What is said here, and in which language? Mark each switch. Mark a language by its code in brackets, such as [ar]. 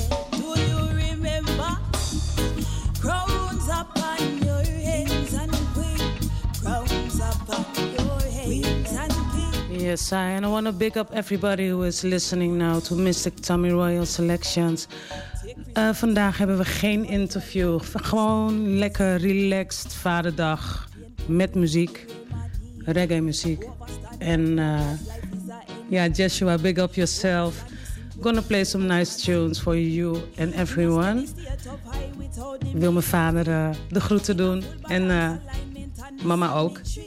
[en] Do you remember? Crowns upon your heads and wings. Crowns upon your heads and wings. Yes, I and I want to big up everybody who is listening now to Mystic Tommy Royal Selections. [nl] Vandaag hebben we geen interview. Gewoon lekker relaxed vaderdag. Met muziek. Reggae muziek. En ja, Joshua, [en] big up yourself. Gonna play some nice tunes for you and everyone. [nl] Wil mijn vader de groeten doen. En mama ook.